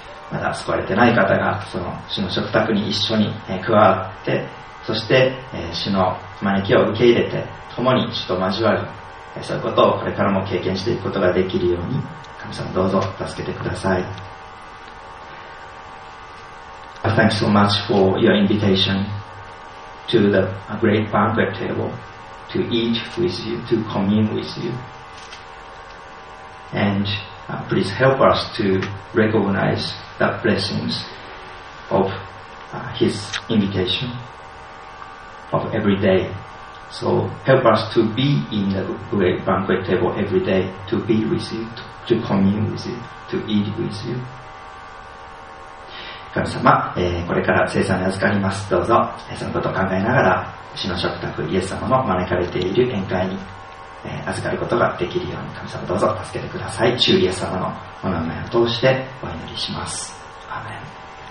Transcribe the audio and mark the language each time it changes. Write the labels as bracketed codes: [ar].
[ja] まだ救われてない方がその主の食卓に一緒に加わって、そして主の招きを受け入れて共に主と交わる、そういうことをこれからも経験していくことができるように、神様どうぞ助けてください。 [en] I thank so much for your invitation to the great banquet tableTo eat with you, to commune with you. And please help us to recognize the blessings of His invitation of every day. So help us to be in the great banquet table every day, to be with you, to commune with you, to eat with you. [ja] 神様、これから聖餐に預かります。どうぞ、そのことを考えながら、主の食卓、イエス様の招かれている宴会に、預かることができるように、神様どうぞ助けてください。主イエス様のお名前を通してお祈りします。アーメン。